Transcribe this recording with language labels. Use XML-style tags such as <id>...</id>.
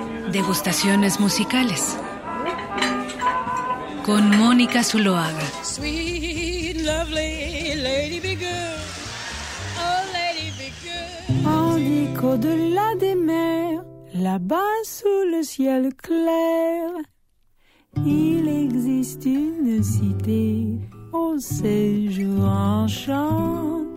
<es>Degustaciones musicales. Con Mónica Zuloaga.</es> <en>Sweet, lovely lady be good. Oh, lady be good.</en> <fr>On dit qu'au-delà des mers, là-bas sous le ciel clair, il existe une cité au séjour enchanté.</fr>